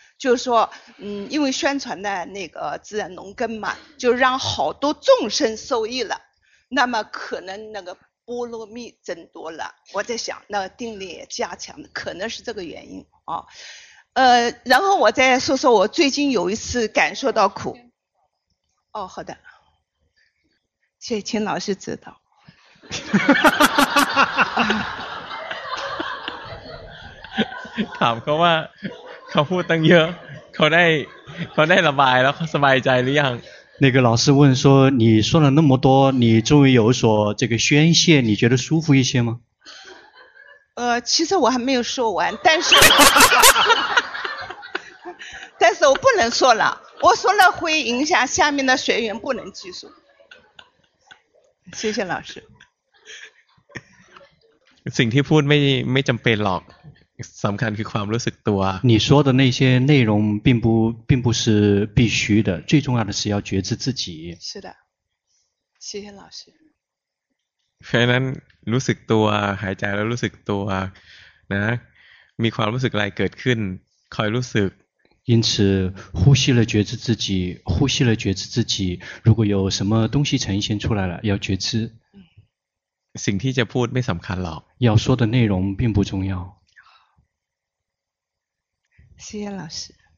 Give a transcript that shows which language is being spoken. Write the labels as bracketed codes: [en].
[zh] 就是说，嗯，因为宣传的那个自然农耕嘛，就让好多众生受益了，那么可能那个波罗蜜增多了，我在想那个定力也加强了，可能是这个原因啊。然后我再说说我最近有一次感受到苦。哦，好的，谢谢秦老师指导。 [th] ถามเขาว่าเขาพูดตั้งเยอะเขาได้ระบายแล้วสบายใจหรือยัง [zh] 那个老师问说你说了那么多你终于有所这个宣泄你觉得舒服一些吗其实我还没有说完但是但是我不能说了我说了会影响下面的学员不能继续谢谢老师 [th] สิ่งที่พูดไม่จำเป็นหรอกสำคัญคือความรู้สึกตัว [zh] 你说的那些内容并不是必须的最重要的是要觉知自己是的谢谢老师 [th] เพราะนั้นรู้สึกตัวหายใจแล้วรู้สึกตัวนะมีความรู้สึกอะไรเกิดขึ้นคอยรู้สึก [zh] 因此呼吸了觉知自己呼吸了觉知自己如果有什么东西呈现出来了要觉知 [th] สิ่งที่จะพูดไม่สำคัญหรอก [zh] 要说的内容并不重要谢谢老师